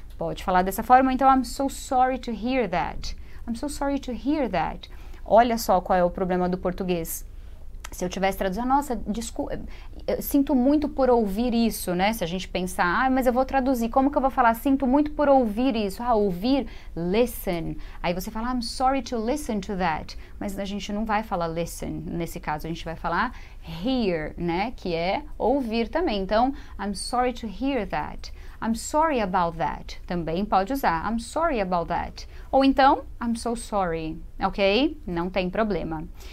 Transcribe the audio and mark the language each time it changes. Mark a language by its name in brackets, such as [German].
[Portuguese] Pode falar dessa forma, então, [English] I'm so sorry to hear that. I'm so sorry to hear that. [Portuguese] Olha só qual é o problema do português. Se eu tivesse traduzido, nossa, desculpa, sinto muito por ouvir isso, né? Se a gente pensar, ah, mas eu vou traduzir, como que eu vou falar? Sinto muito por ouvir isso. Ah, ouvir, listen. Aí você fala, [English] I'm sorry to listen to that. [Portuguese] Mas a gente não vai falar listen, nesse caso, a gente vai falar hear, né? Que é ouvir também. Então, [English] I'm sorry to hear that. I'm sorry about that. [Portuguese] Também pode usar, [English] I'm sorry about that. [Portuguese] Ou então, [English] I'm so sorry, [Portuguese] ok? Não tem problema.